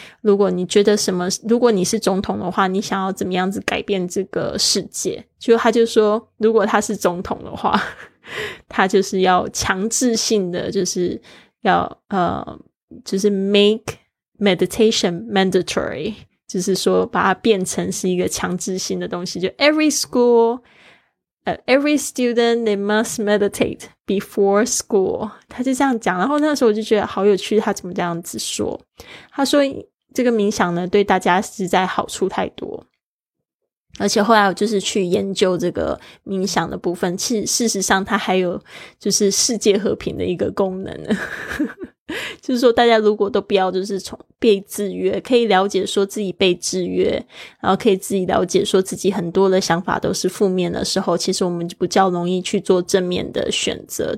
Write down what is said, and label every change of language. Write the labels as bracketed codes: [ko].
[zh] 如果你觉得什么，如果你是总统的话，你想要怎么样子改变这个世界？就他就说，如果他是总统的话，他就是要强制性的，就是要 [en] make meditation mandatory， [zh] 就是说把它变成是一个强制性的东西。就 [en] every school， every student they must meditate before school。 [zh] 他就这样讲，然后那时候我就觉得好有趣，他怎么这样子说？他说，这个冥想呢对大家实在好处太多，而且后来我就是去研究这个冥想的部分，其实事实上它还有就是世界和平的一个功能就是说大家如果都不要就是从被制约，可以了解说自己被制约，然后可以自己了解说自己很多的想法都是负面的时候，其实我们就比较容易去做正面的选择。